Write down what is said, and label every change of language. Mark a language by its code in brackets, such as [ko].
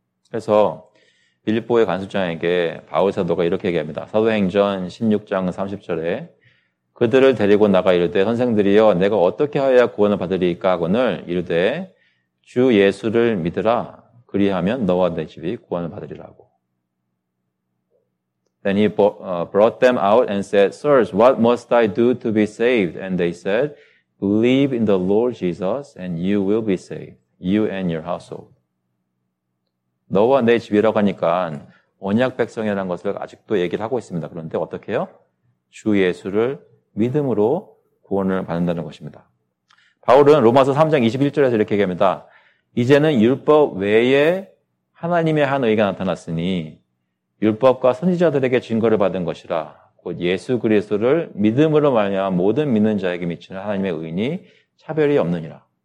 [ko] 그래서 빌립보의 간수장에게 바울 사도가 이렇게 얘기합니다. 사도행전 16장 30절에 그들을 데리고 나가 이르되, 선생들이여 내가 어떻게 해야 구원을 받으리까 하거늘, 이르되 주 예수를 믿으라, 그리하면 너와 내 집이 구원을 받으리라고. [en] Then he brought them out and said, Sirs, what must I do to be saved? And they said, Believe in the Lord Jesus and you will be saved, you and your household. [ko] 너와 내 집이라고 하니까 언약 백성이라는 것을 아직도 얘기를 하고 있습니다. 그런데 어떻게 해요? 주 예수를 믿음으로 구원을 받는다는 것입니다. 바울은 로마서 3장 21절에서 이렇게 얘기합니다. 이제는 율법 외에 하나님의 한 의가 나타났으니 율법과 선지자들에게 증거를 받은 것이라, 곧 예수 그리스도를 믿음으로 말미암아 모든 믿는 자에게 미치는 하나님의 의인이 차별이 없느니라.